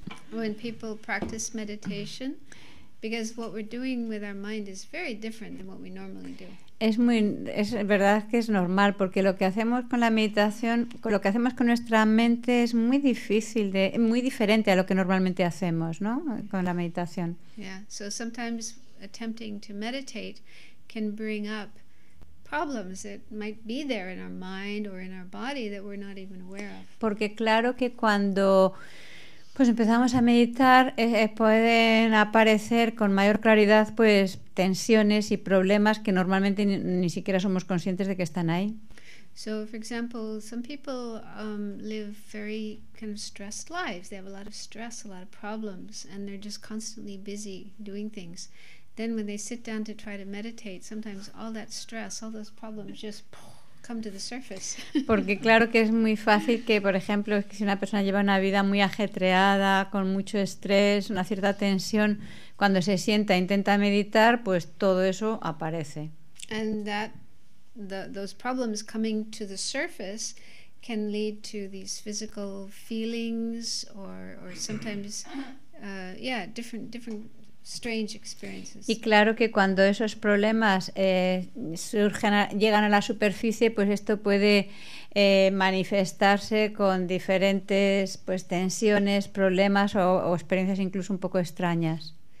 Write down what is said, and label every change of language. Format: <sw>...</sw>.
<en>When people practice meditation, because what we're doing with our mind is very different than what we normally do.</en> <es>Es verdad que es normal, porque lo que hacemos con la meditación, con lo que hacemos con nuestra mente, es muy difícil, muy diferente a lo que normalmente hacemos, ¿no? Con la meditación.</es> <en>Yeah. So sometimes attempting to meditate can bring up problems that might be there in our mind or in our body that we're not even aware of.</en> <es>Porque claro que cuando pues empezamos a meditar, pueden aparecer con mayor claridad pues tensiones y problemas que normalmente ni siquiera somos conscientes de que están ahí.</es> <en>So, for example, some people live very kind of stressed lives. They have a lot of stress, a lot of problems, and they're just constantly busy doing things. Then when they sit down to try to meditate, sometimes all that stress, all those problems just come to the surface.</en> <es>Porque claro que es muy fácil que, por ejemplo, que si una persona lleva una vida muy ajetreada, con mucho estrés, una cierta tensión, cuando se sienta e intenta meditar, pues todo eso aparece.</es> <en>And that those problems coming to the surface can lead to these physical feelings or sometimes different strange experiences.</en> <es>Y claro que cuando esos problemas llegan a la superficie, pues esto puede manifestarse con diferentes pues tensiones, problemas o experiencias incluso un poco extrañas.</es>